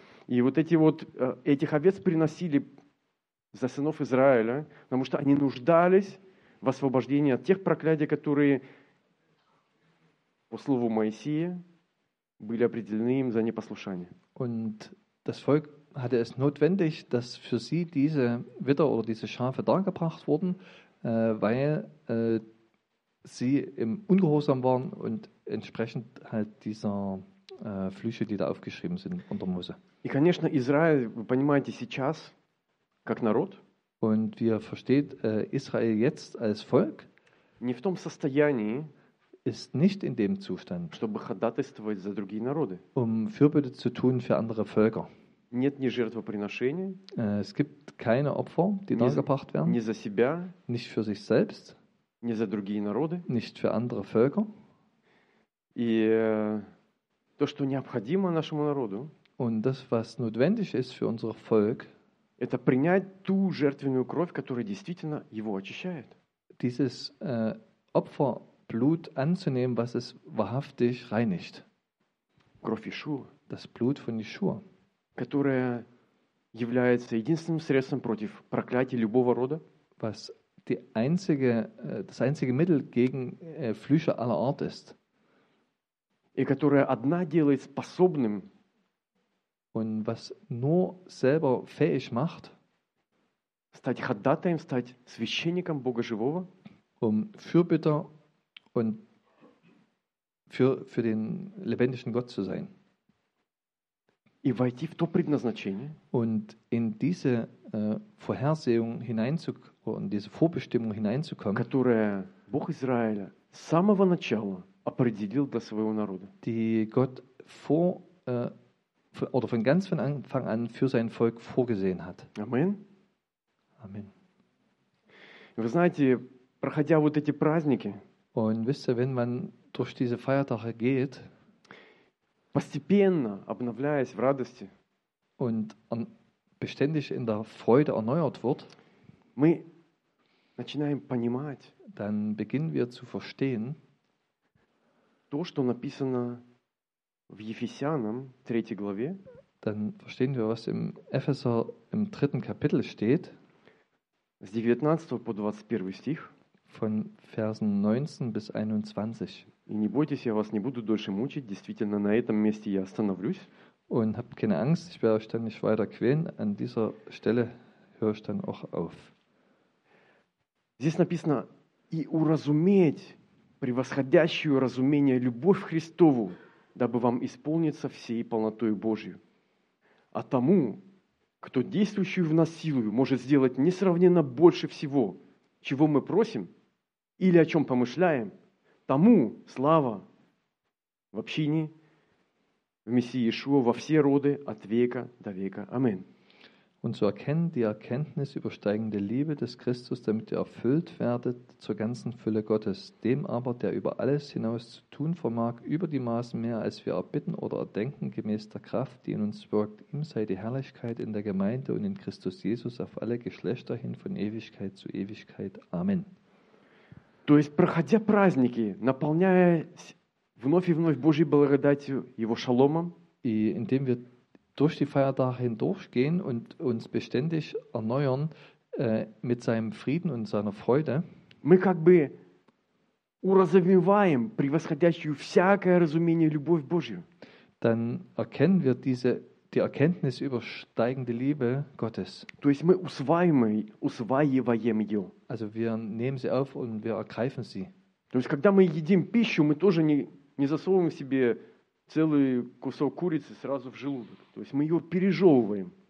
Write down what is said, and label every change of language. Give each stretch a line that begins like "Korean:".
Russian: И вот эти вот, этих овец приносили за сынов Израиля, потому что они нуждались в освобождении от тех проклятий, которые по слову Моисея были определены им за непослушание.
German: Und das Volk hatte es notwendig, dass für sie diese Witter oder diese Schafe dargebracht wurden, weil sie im Ungehorsam waren und entsprechend halt dieser Flüche, die da aufgeschrieben sind unter Mose.
Russian: И, конечно, Израиль, вы понимаете, сейчас как народ,
German: und wir versteht Israel jetzt als Volk,
Russian: не в том состоянии,
German: ist nicht in dem Zustand,
Russian: чтобы ходатайствовать за другие народы,
German: um Fürbitte zu tun für andere Völker.
Russian: Нет ни жертвоприношений,
German: es gibt keine Opfer, die dargebracht werden,
Russian: не за себя,
German: nicht für sich selbst,
Russian: не за другие народы,
German: nicht für andere Völker.
Russian: И то, что необходимо нашему народу,
German: und das, was notwendig ist für unser Volk,
Russian: это принять ту жертвенную кровь, которая действительно его очищает.
German: Dieses Opferblut anzunehmen, was es wahrhaftig reinigt.
Russian: Кровь Иешуа.
German: Das Blut von Иешуа.
Russian: Которая является единственным средством против проклятий любого рода.
German: Was die einzige, das einzige Mittel gegen Flüche aller Art ist.
Russian: И которая одна делает способным,
German: und was nur selber fähig macht,
Russian: стать ходатаем, стать священником Бога живого,
German: um Fürbitter und für den lebendigen Gott zu sein.
Russian: И войти в то предназначение,
German: und in diese Vorhersehung hineinzukommen, diese Vorbestimmung hineinzukommen,
Russian: которая Бог Израиля с самого начала определил для своего народа.
German: Die Gott vor oder von ganz von Anfang an für sein Volk vorgesehen hat. Amen. Amen.
Russian: Вы знаете, проходя вот эти праздники,
German: und wisst ihr, wenn man durch diese Feiertage geht,
Russian: постепенно обновляясь в радости,
German: und beständig in der Freude erneuert wird,
Russian: мы начинаем понимать,
German: dann beginnen wir zu verstehen,
Russian: то, что написано в Ефесянам, 3 главе,
German: dann verstehen wir, was im Epheser im 3. Kapitel steht,
Russian: с 19 по 21 стих,
German: von Versen 19 bis 21.
Russian: И не бойтесь, я вас не буду дольше мучить, действительно, на этом месте я остановлюсь.
German: Und habt keine Angst, ich werde euch dann nicht weiter quälen, an dieser Stelle höre ich dann auch auf.
Russian: Здесь написано, и уразуметь превосходящую разумение любовь к Христову, дабы вам исполниться всей полнотой Божией. А тому, кто действующую в нас силою, может сделать несравненно больше всего, чего мы просим или о чем помышляем, тому слава в общине, в Мессии Иешуа, во все роды, от века до века. Амин.
German: Und zu erkennen die Erkenntnis übersteigende Liebe des Christus, damit ihr erfüllt werdet zur ganzen Fülle Gottes, dem aber, der über alles hinaus zu tun vermag, über die Maßen mehr, als wir erbitten oder erdenken, gemäß der Kraft, die in uns wirkt, ihm sei die Herrlichkeit in der Gemeinde und in Christus Jesus auf alle Geschlechter hin von Ewigkeit zu Ewigkeit. Amen.
Russian: То есть, проходя праздники, наполняясь вновь и вновь Божьей благодатью, Его шаломом,
German: и indem wir durch die Feiertage hindurchgehen und uns beständig erneuern mit seinem Frieden und seiner Freude,
Russian: мы как бы уразумеваем превосходящую всякое разумение любовь Божью.
German: Dann erkennen wir diese, die Erkenntnis übersteigende Liebe Gottes.
Russian: То есть мы усваиваем ее.
German: Also wir nehmen sie auf und wir ergreifen sie.
Russian: То есть когда мы едим пищу, мы тоже не засовываем себе целый кусок курицы сразу в желудок. То есть мы ее пережевываем.